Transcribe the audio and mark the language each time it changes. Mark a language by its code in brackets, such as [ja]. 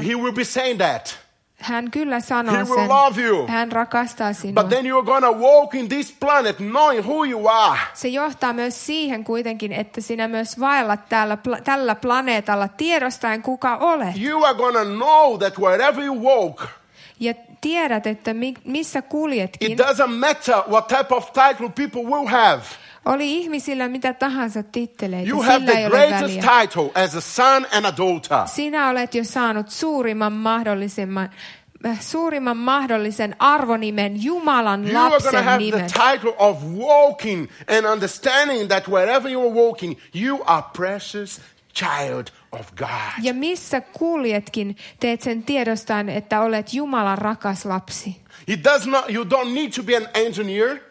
[en] He will be saying that. [fi] Hän kyllä sanoo [en] he [fi] sen. [en] He will love you. [fi] Hän rakastaa sinua. [en] But then you are going to walk in this planet knowing who you are. [fi] Se johtaa myös siihen kuitenkin, että sinä myös vaellat täällä tällä planeetalla tiedostaen kuka olet. [en] You are going to know that wherever you walk. [fi] Ja tiedät, että missä kuljetkin. [en] It doesn't matter what type of title people will have. [fi] Oli ihmisillä mitä tahansa titteleitä, [en] you [fi] sillä ei ole väliä. [en] You have the greatest title as a son and a daughter. [fi] Sinä olet jo saanut suurimman mahdollisen arvonimen Jumalan lapsen nimen. [en] You are going to have the title of walking and understanding that wherever you are walking, you are precious child of God. [fi] Ja missä kuljetkin, teet sen tiedostaen, että olet Jumalan rakas lapsi. [en] It does not, you don't need to be an engineer.